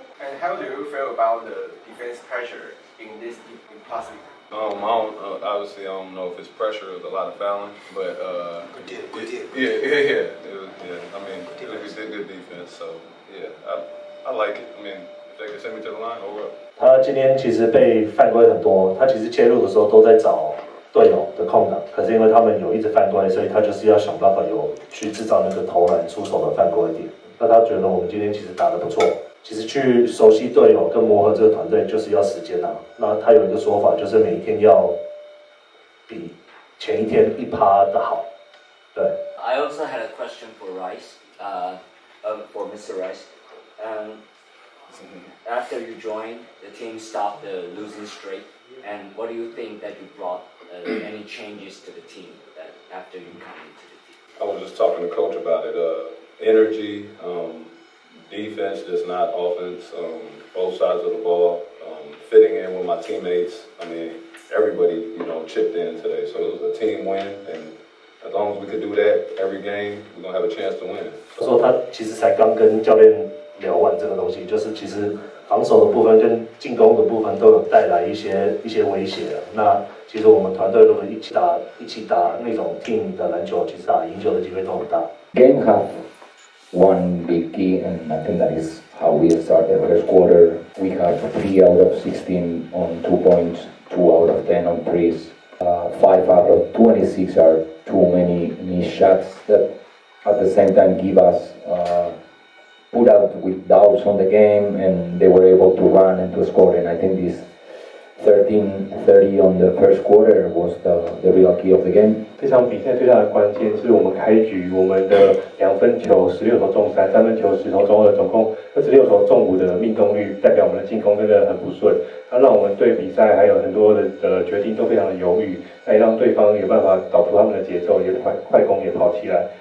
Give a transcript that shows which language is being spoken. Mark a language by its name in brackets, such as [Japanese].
[English] And how do you feel about the defense pressure in this impossible? Obviously, I don't know if it's pressure or a lot of fouling, but... Good defense, so yeah, I like it. I mean, if they can send me to the line, over. [Chinese] 他今天其实被犯规很多，他其实切入的时候都在找队友的空档，可是因为他们有一直犯规，所以他就是要想办法有去制造那个投篮出手的犯规点。那他觉得我们今天其实打得不错，其实去熟悉队友跟磨合这个团队就是要时间啊。那他有一个说法，就是每一天要比前一天1%的好。对。 [English] I also had a question for Rice, for Mr. Rice, After you joined, the team stopped the losing streak. And what do you think that you brought any changes to the team that after you come into the team? I was just talking to coach about it. Energy, defense, just not offense, both sides of the ball, fitting in with my teammates. I mean, everybody, you know, chipped in today. So it was a team win. And as long as we could do that every game, we're going to have a chance to win. So he actually just got with coach. [Chinese] 聊完这个东西，就是其实防守的部分跟进攻的部分都有带来一些威胁。那其实我们团队如果一起打那种 team 的篮球，其实打赢球的机会都很大。 [English] Game have one big key, and I think that is how we start the first quarter. We have 3 out of 16 on 2 points, 2 out of 10 on threes, 5 out of 26 are too many missed shots that at the same time give us. Put out with doubts on the game, and they were able to run and to score. And I think this 13-30 on the first quarter was the real key of the game. [Chinese] 这场比赛最大的关键是我们开局我们的两分球16投中3，三分球10投中2，总共26投中5的命中率，代表我们的进攻真的很不顺。它让我们对比赛还有很多的决定都非常的犹豫，那也让对方有办法导出他们的节奏，也快攻也跑起来。